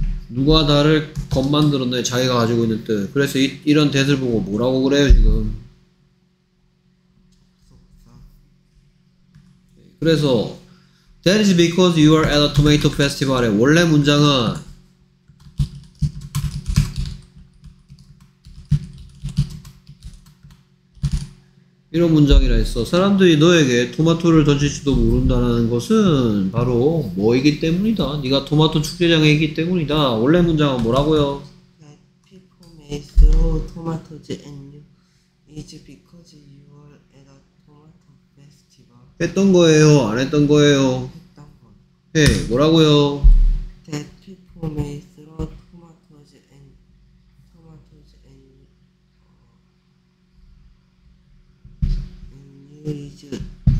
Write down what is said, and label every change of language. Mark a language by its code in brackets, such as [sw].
[ko] 누가다를 겁 만들었네. 자기가 가지고 있는 뜻. 그래서 이런 뜻을 보고 뭐라고 그래요 지금? [en] 그래서 That is because you are at a tomato festival. [ko] 원래 문장은 이런 문장이라 했어. 사람들이 너에게 토마토를 던질지도 모른다는 것은 바로 뭐이기 때문이다. 네가 토마토 축제장에 있기 때문이다. 원래 문장은 뭐라고요? [en] That people may throw tomatoes at you is because you are at a tomato festival. [ko] 했던 거예요? 안 했던 거예요? 네, 뭐라고요? [en] That people may throw tomatoes and you is the